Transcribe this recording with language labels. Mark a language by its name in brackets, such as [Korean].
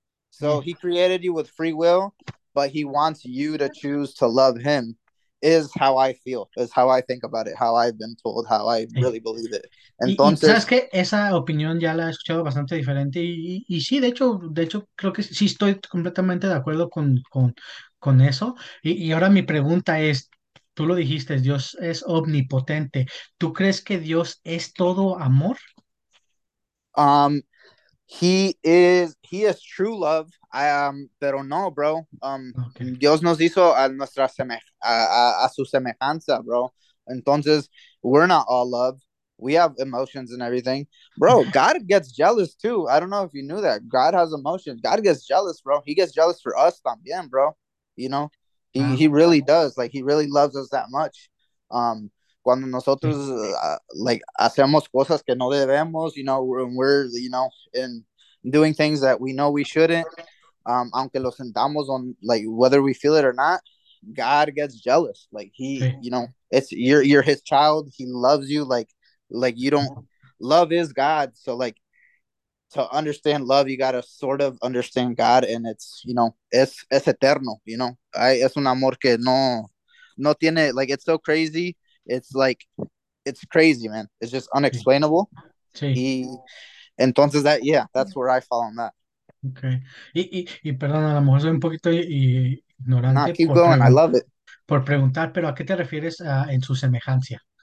[English] So he created you with free will, but he wants you to choose to love him, is how I feel, is how I think about it, how I've been told, how I really believe it. [Spanish] Y sabes que esa opinión ya la he escuchado bastante diferente y sí, de hecho creo que sí estoy completamente de acuerdo con eso. Y ahora mi pregunta es, tú lo dijiste, Dios es omnipotente. ¿Tú crees que Dios es todo amor? [English] He is true love, [Spanish] pero no, [English] bro. [Spanish] Dios nos hizo a nuestra semeja a su semejanza, bro. Entonces, [English] we're not all love. We have emotions and everything. Bro, God gets jealous too. I don't know if you knew that. God has emotions. God gets jealous, bro. He gets jealous for us [Spanish] también, [English] bro. He really does. Like, he really loves us that much. [Spanish] Cuando nosotros like hacemos cosas que no debemos, [English] when we're in doing things that we know we shouldn't, [Spanish] aunque lo sentamos [English] on like whether we feel it or not, God gets jealous. Like he, you know, it's you're his child. He loves you like you don't love is God. So like to understand love, you gotta sort of understand God, and it's [Spanish] eterno. Es un amor que no tiene [English] like it's so crazy. It's like it's crazy, man. It's just unexplainable. [Spanish] Entonces [English] that's where I fall on that. [Spanish] Y perdón, a lo mejor soy un poquito No, ignorante [English] keep going. I love it. [Spanish] por preguntar, pero ¿a qué te refieres en su semejanza?